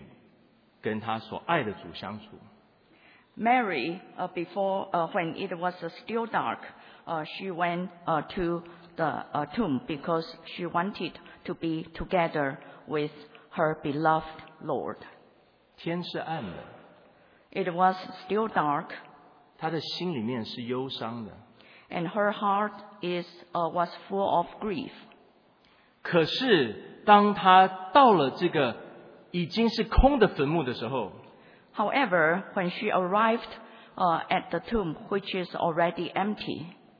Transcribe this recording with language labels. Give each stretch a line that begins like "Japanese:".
Chinese: 玛利亚在天未亮的时候到坟墓里面要去跟她所爱的主相处。
English: Mary, when it was still dark, she went to the tomb because she wanted to be together with her beloved Lord.
Chinese: 天是暗的,
English: it was still dark.
Chinese: 她的心里面是忧伤的,
English: and her heart was full of grief.
Chinese: 可是当她到了这个已经是空的坟墓的时候,
English: However, when she arrived at the tomb, which is already empty,